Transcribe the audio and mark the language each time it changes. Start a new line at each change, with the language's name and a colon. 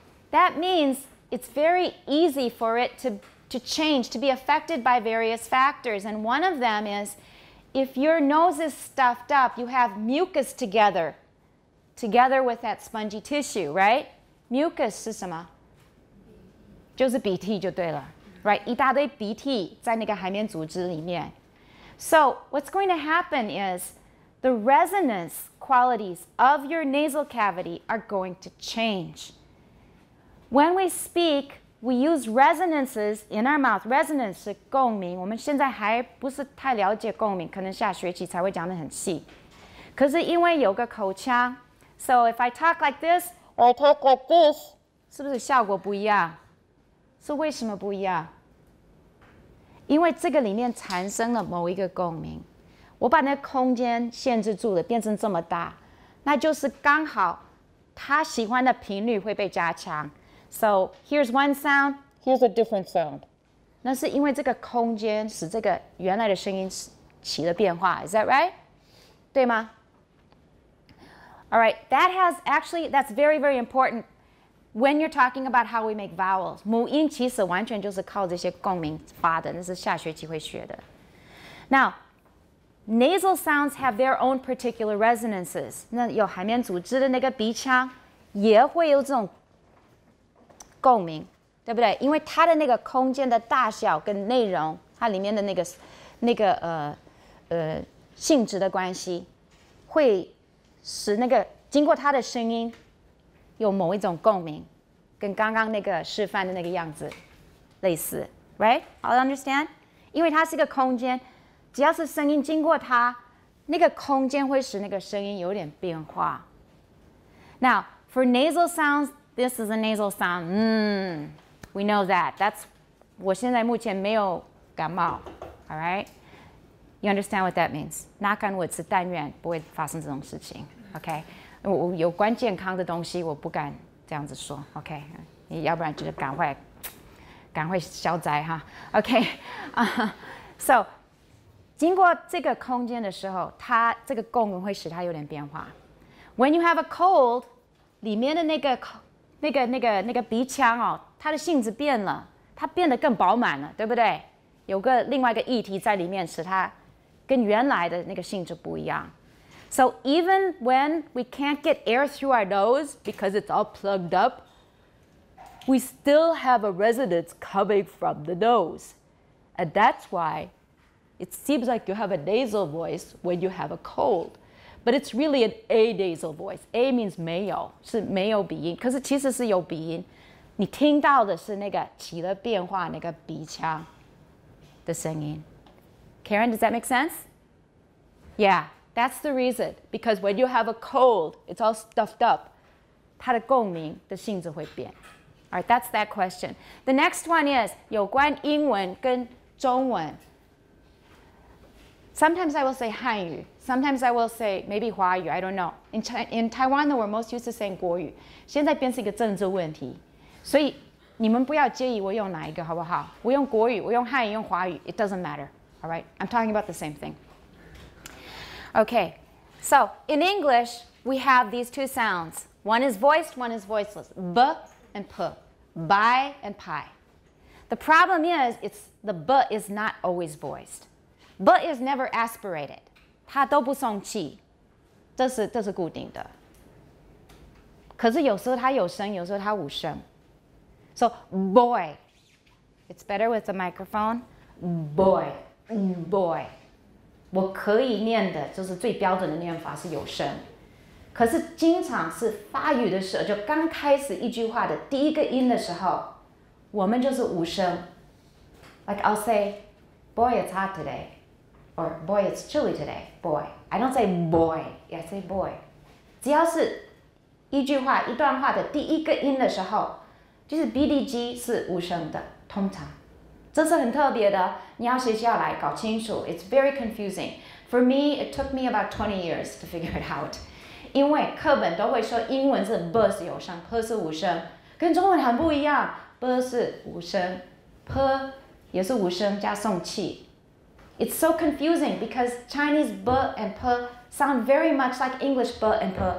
English: That means it's very easy for it to change, to be affected by various factors. And one of them is if your nose is stuffed up, you have mucus together with that spongy tissue, right?
Chinese: Mucus 是什么?就是鼻涕就对了, right? 一大堆鼻涕在那个海绵组织里面.
English: So what's going to happen is the resonance qualities of your nasal cavity are going to change. When we speak, we use resonances in our mouth.
Chinese: Resonance 是共鸣,我们现在还不是太了解共鸣,可能下学期才会讲得很细. 可是因为有个口腔,
English: so if I talk like this, I talk like this,
Chinese: 是不是效果不一样? 是为什么不一样? 因为这个里面产生了某一个共鸣。我把那空间限制住了，变成这么大，那就是刚好他喜欢的频率会被加强。
English: So here's one sound. Here's a different sound.
Chinese: 那是因为这个空间使这个原来的声音起了变化。
English: Is that right?
Chinese: 对吗？
English: All right, that has actually, that's very, very important when you're talking about how we make vowels.
Chinese: 母音其实完全就是靠这些共鸣发的，那是下学期会学的。
English: Now, nasal sounds have their own particular resonances.
Chinese: 那有海绵组织的那个鼻腔也会有这种共鸣，对不对？因为它的那个空间的大小跟内容，它里面的那个性质的关系会使那个经过他的声音有某一种共鸣，跟刚刚那个示范的那个样子类似 ，right?
English: All understand?
Chinese: 因为它是一个空间，只要是声音经过它，那个空间会使那个声音有点变化。
English: Now for nasal sounds, this is a nasal sound. We know that. That's
Chinese: 我现在目前没有感冒
English: ，all right? You understand what that means? Knock on wood,
Chinese: 是但愿不会发生这种事情
English: ，okay?
Chinese: 我有关健康的东西，我不敢这样子说 ，okay? 要不然就是赶快消灾哈 ，okay? So, 经过这个空间的时候，它这个共鸣会使它有点变化。
English: When you have a cold,
Chinese: 里面的那个鼻腔哦，它的性质变了，它变得更饱满了，对不对？有个另外一个液体在里面，使它跟原来的那个性质不一样。
English: So even when we can't get air through our nose because it's all plugged up, we still have a resonance coming from the nose. And that's why it seems like you have a nasal voice when you have a cold. But it's really an anasal voice. A means
Chinese: 没有，是没有鼻音。可是其实是有鼻音，你听到的是那个起了变化那个鼻腔的声音。
English: Karen, does that make sense? Yeah, that's the reason. Because when you have a cold, it's all stuffed up.
Chinese: 它的共鸣的性质会变。
English: All right, that's that question. The next one is
Chinese: 有关英文跟中文。
English: Sometimes I will say 汉语。Sometimes I will say maybe 华语。I don't know. In Taiwan, we're most used to saying 国语。
Chinese: 现在变成一个政治问题。所以你们不要介意我用哪一个好不好？我用国语，我用汉语，用华语。
English: It doesn't matter. All right, I'm talking about the same thing. Okay, so in English, we have these two sounds. One is voiced, one is voiceless. B and P, bi and pi. The problem is, the B is not always voiced. B is never aspirated.
Chinese: 它都不送气，这是固定的。可是有时候它有声，有时候它无声。
English: So, boy, it's better with the microphone. Boy.
Chinese: Boy, 我可以念的就是最标准的念法是有声，可是经常是发语的时候，就刚开始一句话的第一个音的时候，我们就是无声。
English: Like I'll say, boy, it's hot today, or boy, it's chilly today. Boy, I don't say boy, I say boy.
Chinese: 只要是一句话一段话的第一个音的时候，就是 BDG 是无声的，通常。这是很特别的，你要学下来搞清楚。
English: It's very confusing. For me, it took me about 20 years to figure it out.
Chinese: 因为课本都会说英文是 b 是有声 ，p 是无声，跟中文很不一样。 b 是无声 ，p 也是无声加送气。
English: It's so confusing because Chinese b and p sound very much like English b and p.